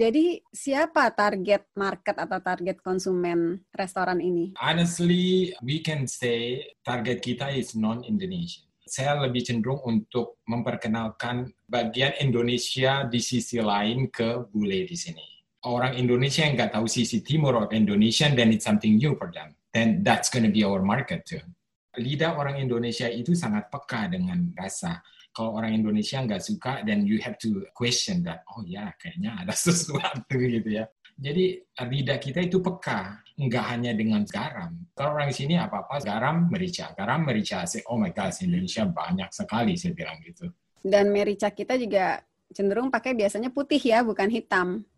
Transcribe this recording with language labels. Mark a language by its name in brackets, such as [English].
[Indonesian] Jadi siapa target market atau target konsumen restoran ini? [English] Honestly, we can say [Indonesian] target kita [English] is non-Indonesian. [Indonesian] Saya lebih cenderung untuk memperkenalkan bagian Indonesia di sisi lain ke bule di sini. Orang Indonesia yang nggak tahu sisi timur [English] of Indonesia, then it's something new for them. Then that's gonna be our market too. [Indonesian] Lidah orang Indonesia itu sangat peka dengan rasa. Kalau orang Indonesia nggak suka, [English] then you have to question that. [Indonesian] Oh ya, yeah, kayaknya ada sesuatu gitu ya. Jadi lidah kita itu peka, nggak hanya dengan garam. Kalau orang sini apa-apa, garam, merica. Say, oh my God, Indonesia banyak sekali, saya bilang gitu. Dan merica kita juga cenderung pakai biasanya putih ya, bukan hitam.